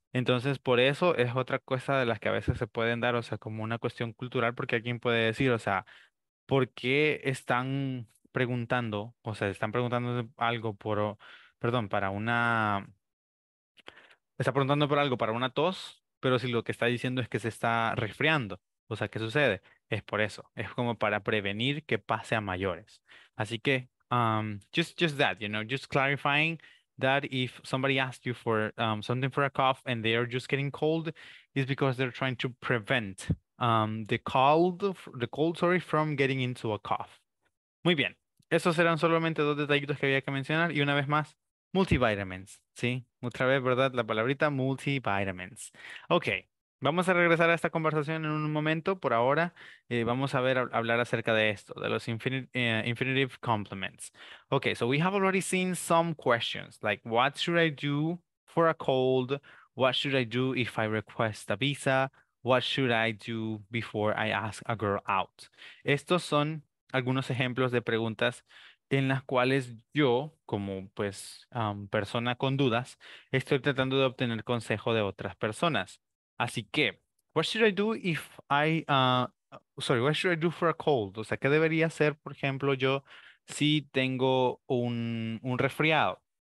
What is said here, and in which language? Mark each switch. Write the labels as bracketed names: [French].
[Spanish] Entonces, por eso es otra cosa de las que a veces se pueden dar, o sea, como una cuestión cultural, porque alguien puede decir, o sea, ¿por qué están preguntando? O sea, están preguntando algo por, perdón, para una... Está preguntando por algo para una tos, pero si lo que está diciendo es que se está resfriando. O sea, ¿qué sucede? Es por eso. Es como para prevenir que pase a mayores. Así que, [English] just that, you know, just clarifying that if somebody asks you for something for a cough and they are just getting cold, it's because they're trying to prevent the cold, from getting into a cough. [Spanish] Muy bien. Esos eran solamente dos detallitos que había que mencionar. Y una vez más, multivitamins, ¿sí? Otra vez, ¿verdad? La palabrita multivitamins. Ok, vamos a regresar a esta conversación en un momento. Por ahora, vamos a ver, hablar acerca de esto, de los infinitive complements. Ok, [English] so we have already seen some questions, like what should I do for a cold? What should I do if I request a visa? What should I do before I ask a girl out? [Spanish] Estos son algunos ejemplos de preguntas en las cuales yo, como pues persona con dudas, estoy tratando de obtener consejo de otras personas. Así que, [English] what should I do if I, what should I do for a cold? [Spanish] O sea, ¿qué debería hacer, por ejemplo, yo si tengo un resfriado?